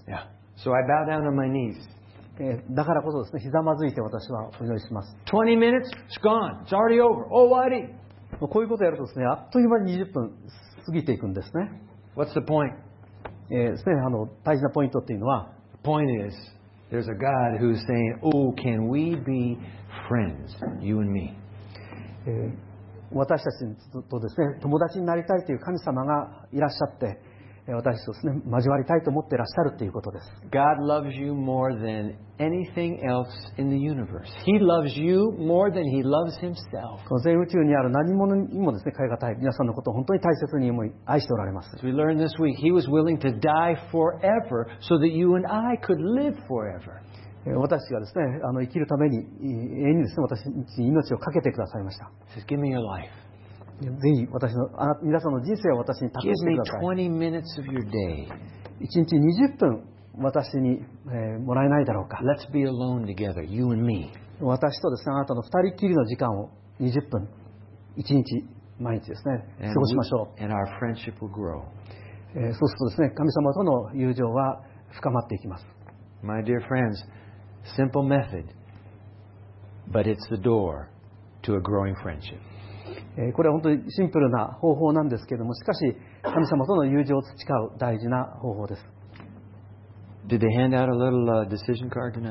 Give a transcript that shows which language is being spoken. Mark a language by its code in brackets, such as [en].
[en] Yeah. So I bow down on my knees. [ja] だからこそですね、ひざまずいて私はお祈りします。 [en] 20 minutes, it's gone. It's already over. Oh, buddy. [ja] こういうことをやるとですね、あっという間に20分過ぎていくんですね。 [en] What's the point? [ja] ですね、大事なポイントっていうのは、 [en] The point is, there's a God who's saying, oh, can we be friends, you and me? [ja] 私たちとですね、友達になりたいという神様がいらっしゃって、私とですね、交わりたいと思っていらっしゃるということです。 [en] God loves you more than anything else in the universe. He loves you more than he loves himself. [ja] この全宇宙にある何者にもですね、代え難い皆さんのことを本当に大切に思い愛しておられます。 [en] As we learned this week, he was willing to die forever so that you and I could live forever. [ja] 私がですね、生きるために永遠にですね、私に命をかけてくださいました。 [en] He says, give me your life. [ja] ぜひ私の皆さんの人生を私に託してください。 [en] 20 minutes of your day. [ja] 1日20分私に、もらえないだろうか。 [en] Let's be alone together, you and me. [ja] 私とですね、あなたの2人きりの時間を20分、1日毎日ですね、過ごしましょう。 [en] And our friendship will grow. [ja] そうするとですね、神様との友情は深まっていきます。 [en] My dear friends, simple method, but it's the door to a growing friendship. [ja] これは本当にシンプルな方法なんですけれども、しかし神様との友情を培う大事な方法です。 [en] Did they hand out a little decision card tonight?